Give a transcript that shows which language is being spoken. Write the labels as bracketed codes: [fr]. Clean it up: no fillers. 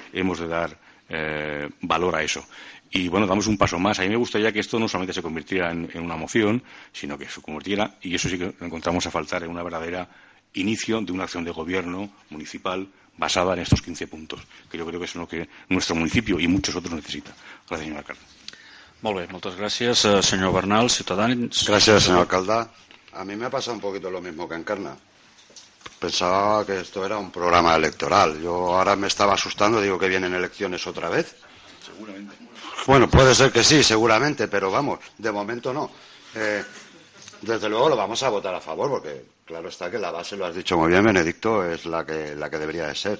[es] Hemos de dar valor a eso. Y bueno, damos un paso más. A mí me gustaría que esto no solamente se convirtiera en una moción, sino que se convirtiera, y eso sí que lo encontramos a faltar, en una verdadera inicio de una acción de gobierno municipal basada en estos 15 puntos, que yo creo que es lo que nuestro municipio y muchos otros necesitan. Gracias, señor alcalde. [ca] Molt bé, moltes gràcies, senyor Bernal, Ciutadans. Gràcies, senyor alcalde. [es] A mi me ha pasado un poquito lo mismo que Encarna. Pensaba que esto era un programa electoral. Yo ahora me estaba asustando, digo que vienen elecciones otra vez. Seguramente. Bueno, puede ser que sí, seguramente, pero vamos, de momento no. Desde luego lo vamos a votar a favor, porque claro está que la base, lo has dicho muy bien, Benedicto, es la que debería de ser.